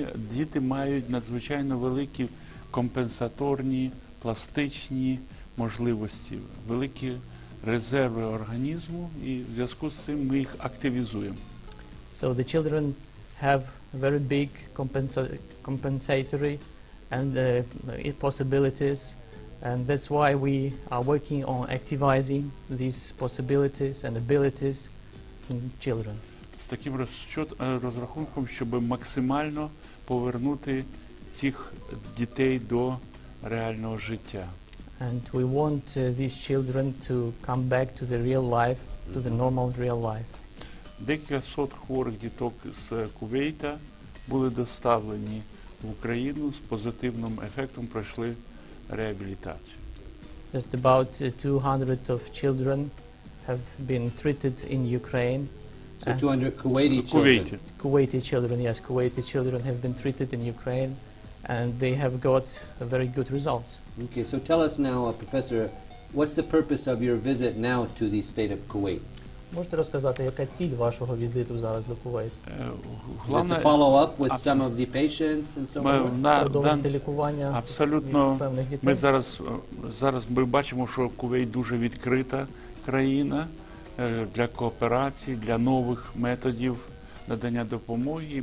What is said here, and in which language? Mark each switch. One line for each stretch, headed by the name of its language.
Ukrainian: Діти мають надзвичайно великі компенсаторні, пластичні можливості, великі резерви організму, і в зв'язку з цим ми їх активізуємо.
English: So the children have very big compensatory and possibilities, and that's why we are working on activizing these possibilities and abilities in children.
Ukrainian: З таким розрахунком, щоб максимально повернути цих дітей до реального життя.
English: And we want these children to come back to the real life, to the normal real life.
Ukrainian: Декілька сот хворих діток з Кувейта були доставлені в Україну з позитивним ефектом, пройшли реабілітацію.
English: Just about 200 of children have been treated in Ukraine. So 200 Kuwaiti children. Kuwaiti children have been treated in Ukraine. And they have got very good results. Okay, so tell us now, Professor, what's the purpose of your visit now to the state of Kuwait?
Ukrainian: Можете розказати, яка ціль вашого візиту зараз до Кувейту?
English: Is it to follow up with some of the patients and so on?
Ukrainian: Продовжити лікування абсолютно певних дітей? Ми зараз ми бачимо, що Кувейт дуже відкрита країна для кооперації, для нових методів надання допомоги.